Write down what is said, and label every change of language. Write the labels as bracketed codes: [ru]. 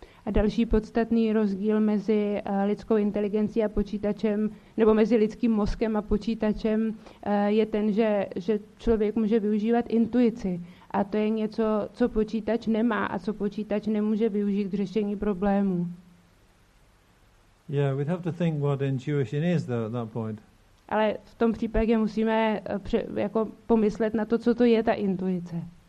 [cs] Další podstatný rozdíl mezi lidskou inteligencí a počítačem, nebo mezi lidským mozkem a počítačem, je ten, že člověk může využívat intuici. A to je něco, co počítač nemá a co počítač nemůže využít k řešení problémů. [en] Yeah, we'd have to think what intuition is though at that point. [cs] Ale v tom případě musíme jako pomyslet na to, co to je ta intuice.